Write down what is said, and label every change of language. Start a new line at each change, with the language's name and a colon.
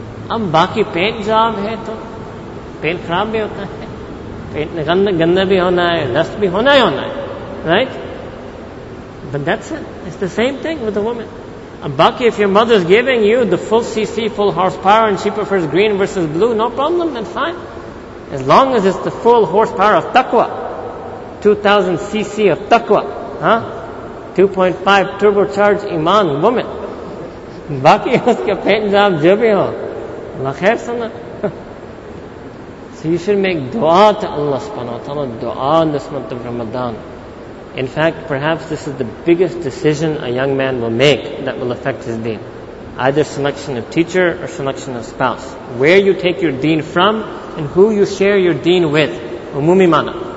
Urdu: ام باقی paint job ہے تو، paint خراب بھی ہوتا ہے، paint گندا بھی ہونا ہے، dust بھی ہونا ہے ہونا ہے، right?
English: But that's it. It's the same thing with a woman. A baki, if your mother's giving you the full CC, full horsepower, and she prefers green versus blue, no problem, that's fine. As long as it's the full horsepower of taqwa, 2000 CC of taqwa, 2.5 turbocharged iman woman.
Urdu: باقی اسکے paint job جو بھی ہو، اللہ خیر سنا۔
English: So you should make dua to Allah subhanahu wa ta'ala, dua in this month of Ramadan. In fact, perhaps this is the biggest decision a young man will make that will affect his deen. Either selection of teacher or selection of spouse. Where you take your deen from and who you share your deen with. Umumi mana.